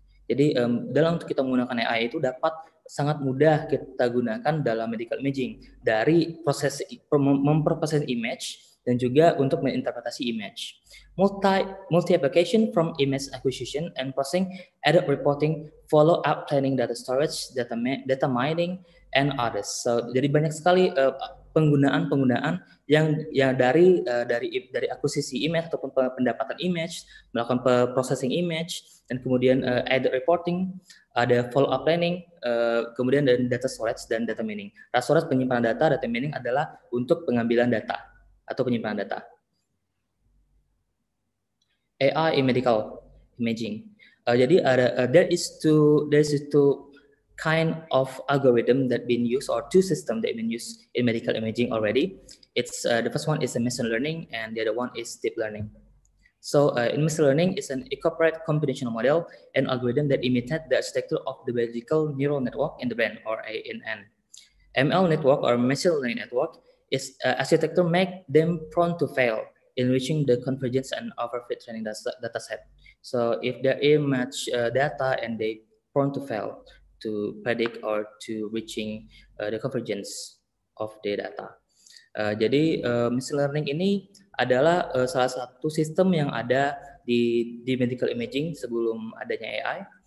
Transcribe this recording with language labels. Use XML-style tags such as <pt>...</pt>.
<id>Jadi dalam untuk kita menggunakan AI itu dapat sangat mudah kita gunakan dalam medical imaging dari proses memproses image dan juga untuk menginterpretasi image.</id> <en>Multi application from image acquisition and processing, edit reporting, follow up training data storage, data mining and others.</en> <id>So jadi banyak sekali penggunaan yang dari akuisisi image ataupun pendapatan image, melakukan processing image, dan kemudian edit reporting, ada follow up planning, kemudian dan data storage dan data mining. Data storage penyimpanan data, data mining adalah untuk pengambilan data atau penyimpanan data.</id> <en>AI in medical imaging. Jadi there is two kind of algorithm that been used or two system that been used in medical imaging already. It's the first one is a machine learning and the other one is deep learning. So in machine learning is an incorporate computational model and algorithm that imitate the architecture of the biological neural network in the brain or ANN. ML network or machine learning network is architecture make them prone to fail in reaching the convergence and overfit training data set. So if they image data and they prone to fail to predict or to reaching the convergence of the data.</en> <id>Jadi machine learning ini adalah salah satu sistem yang ada di medical imaging sebelum adanya AI.</id>